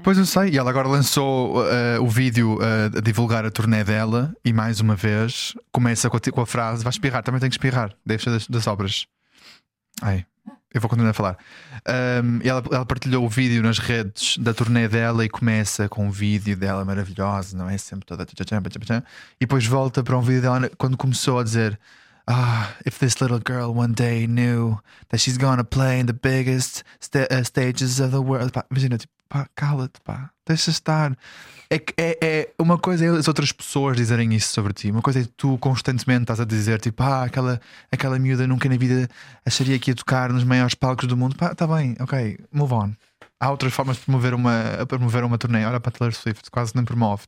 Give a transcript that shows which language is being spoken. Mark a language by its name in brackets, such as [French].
[Portuguese] Pois eu sei, e ela agora lançou o vídeo a divulgar a turnê dela, e mais uma vez começa com a frase: vai espirrar, também tem que espirrar, deixa das obras. Ai, eu vou continuar a falar. Ela partilhou o vídeo nas redes da turnê dela e começa com um vídeo dela maravilhoso, não é? Sempre toda. E depois volta para um vídeo dela quando começou a dizer. [English] If this little girl one day knew that she's gonna play in the biggest stages of the world. [Portuguese] Pá, imagina, tipo, pá, cala-te, pá, deixa estar. É uma coisa é as outras pessoas dizerem isso sobre ti. Uma coisa é tu constantemente estás a dizer, tipo, pá, aquela miúda nunca na vida acharia que ia tocar nos maiores palcos do mundo. Pá, tá bem, ok, [English] move on. [Portuguese] há outras formas de promover uma turnê. Olha para a Taylor Swift, quase nem promove.